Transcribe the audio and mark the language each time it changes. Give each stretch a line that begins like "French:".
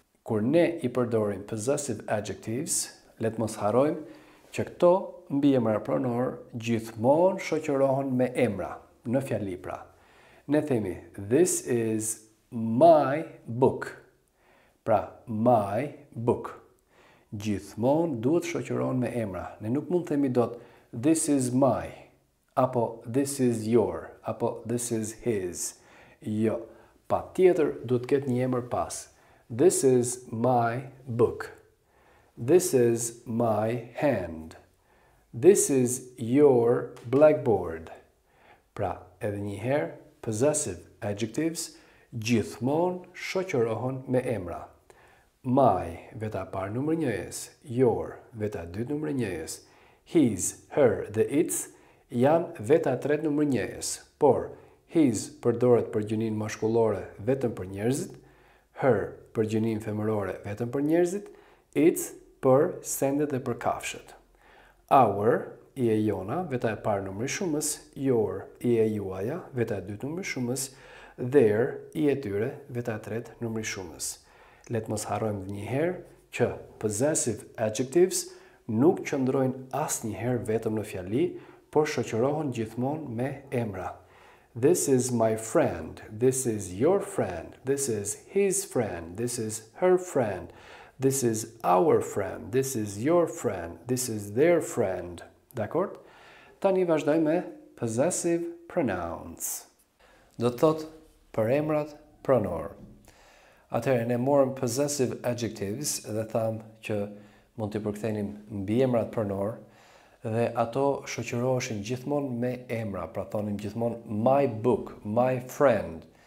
Albanian: Kur ne i përdorim possessive adjectives, letë mos harojmë që këto mbiemra pronor gjithmonë shoqërohen me emra, në fjali pra. Ne themi,
English: this is my book.
Albanian: Pra,
English: my book.
Albanian: Gjithmonë duhet shoqëron me emra. Ne nuk mund themi dot,
English: this is my, apo this is your, apo this is his.
Albanian: Jo, pa tjetër duhet ketë një emër pas.
English: This is my book. This is my hand. This is your blackboard.
Albanian: Pra, edhe një herë, possessive adjectives gjithmonë shoqërohen me emra. My, veta parë numër njëjes, your, veta dytë numër njëjes, his, her, the its, janë veta tretë numër njëjes, por, his përdoret për gjunin mashkullore vetëm për njerëzit, her për gjunin femërore vetëm për njerëzit, its për sendet dhe për kafshët. Our, i e jona, veta e parë numër shumës, your, i e juaja, veta e dytë numër shumës, their, i e tyre, veta e tretë numër shumës. Letë mos harrojmë dhe njëherë që possessive adjectives nuk qëndrojnë asnjëherë vetëm në fjali, por shoqërohen gjithmonë me emra.
English: This is my friend, this is your friend, this is his friend, this is her friend, this is our friend, this is your friend, this is their friend.
Albanian: Dakord? Tani vazhdojmë me possessive pronouns. Do të thotë për emrat pronor. Atëherë ne morëm possessive adjectives dhe thamë që mund të përkthenim mbi emrat pronor dhe ato shoqëroheshin gjithmonë me emra, pra thonim gjithmonë
English: my book, my friend.